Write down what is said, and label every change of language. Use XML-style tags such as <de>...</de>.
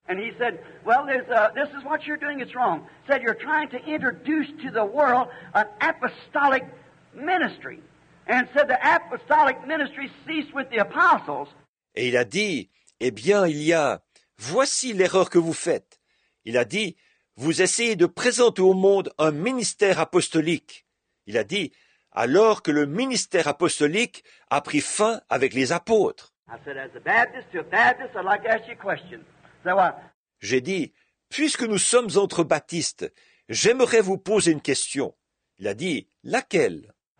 <en>And he said, well, this is what you're doing, it's wrong. He said, you're trying to introduce to the world an apostolic ministry. And said, the apostolic ministry ceased with the apostles.</en> <fr>Et il a dit, eh bien, il y a, voici l'erreur que vous faites. Il a dit, vous essayez de présenter au monde un ministère apostolique. Il a dit, alors que le ministère apostolique a pris fin avec les apôtres.</fr> <en>I said, as a Baptist, to a Baptist, I'd like to ask you a question.</en> <fr>J'ai dit, puisque nous sommes entre baptistes, j'aimerais vous poser une question. Il a dit, laquelle?</fr>